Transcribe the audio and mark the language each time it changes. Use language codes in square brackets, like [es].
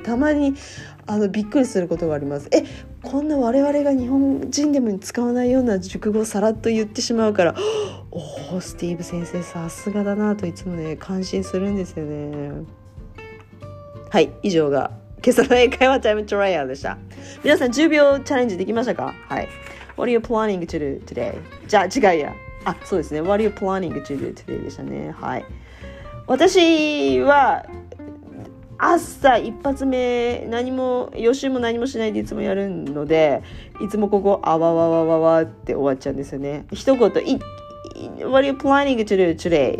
[ja] たまにあのびっくりすることがあります。え、こんな我々が日本人でも使わないような熟語をさらっと言ってしまうから、おお、スティーブ先生さすがだなといつもね感心するんですよね。はい、以上が今朝の英会話タイムトライアルでした。皆さん10秒チャレンジできましたか？はい。 [en] What are you planning to do today? [ja] じゃあ違いや。あ、そうですね。 [en] What are you planning to do today? [ja] でしたね。はい。私は朝一発目何も予習も何もしないでいつもやるので、いつもここあわわわわわって終わっちゃうんですよね。一言 [en] What are you planning to do today?